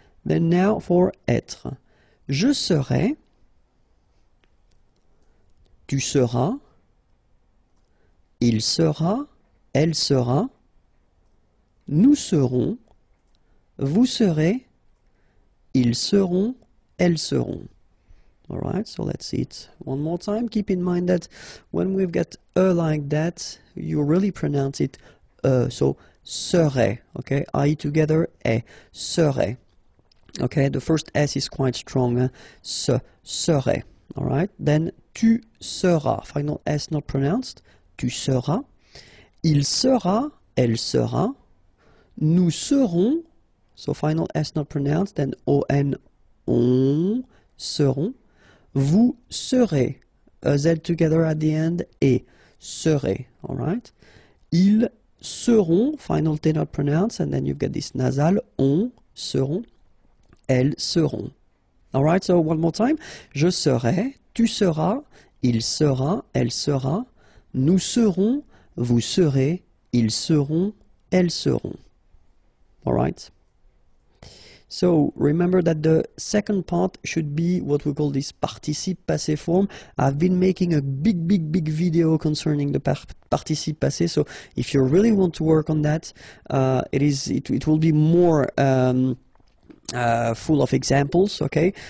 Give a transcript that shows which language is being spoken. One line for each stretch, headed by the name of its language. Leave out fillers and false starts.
English: Then now for
French: être. Je serai, tu seras, il sera, elle sera, nous serons, vous serez, ils seront, elles seront.
English: All right, so let's see it one more time. Keep in mind that when we've got a like that, you really pronounce it so serait, okay? I together, et, serait. Okay, the first S is quite strong, se, serait. All right, then
French: tu seras,
English: final S not pronounced,
French: tu seras. Il sera, elle sera. Nous serons,
English: so final S not pronounced, then O-N, on, seront. Vous serez, a Z together at the end, et serez, all right?
French: Ils seront,
English: final T not pronounced, and then you've got this nasal, on,
French: seront, elles seront.
English: All right, so one more time.
French: Je serai, tu seras, il sera, elle sera, nous serons, vous serez, ils seront, elles seront.
English: All right? So, remember that the second part should be what we call this participe passé form. I've been making a big, big, big video concerning the participe passé. So, if you really want to work on that, it will be more full of examples, okay?